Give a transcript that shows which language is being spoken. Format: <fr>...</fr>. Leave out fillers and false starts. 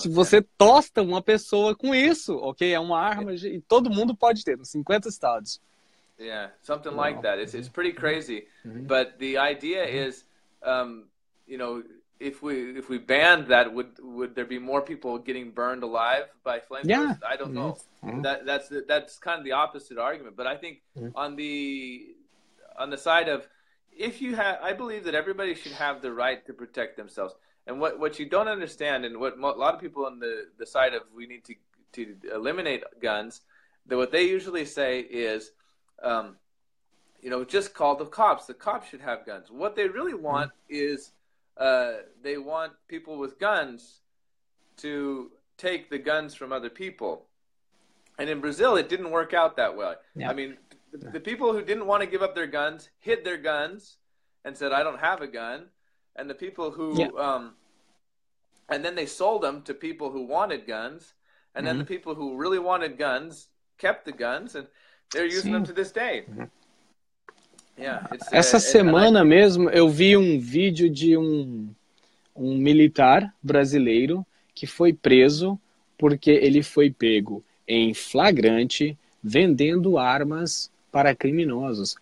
<pt>Se você tosta uma pessoa com isso, ok? É uma arma e todo mundo pode ter, nos 50 estados.</pt> <en>Yeah, something like that. It's pretty crazy. Mm-hmm. But the idea is, you know, if we banned that, would there be more people getting burned alive by flames? Yeah. I don't know. Mm-hmm. That's kind of the opposite argument. But I think on the side of, I believe that everybody should have the right to protect themselves. And what you don't understand, and what a lot of people on the side of we need to eliminate guns, that what they usually say is, you know, just call the cops. The cops should have guns. What they really want is they want people with guns to take the guns from other people. And in Brazil, it didn't work out that well. Yeah. I mean, the people who didn't want to give up their guns hid their guns and said, I don't have a gun. And the people who, and then they sold them to people who wanted guns. And then the people who really wanted guns kept the guns, and they're using them to this day.</en> <pt>Essa semana mesmo, eu vi um vídeo de um militar brasileiro que foi preso porque ele foi pego em flagrante vendendo armas para criminosos.</pt>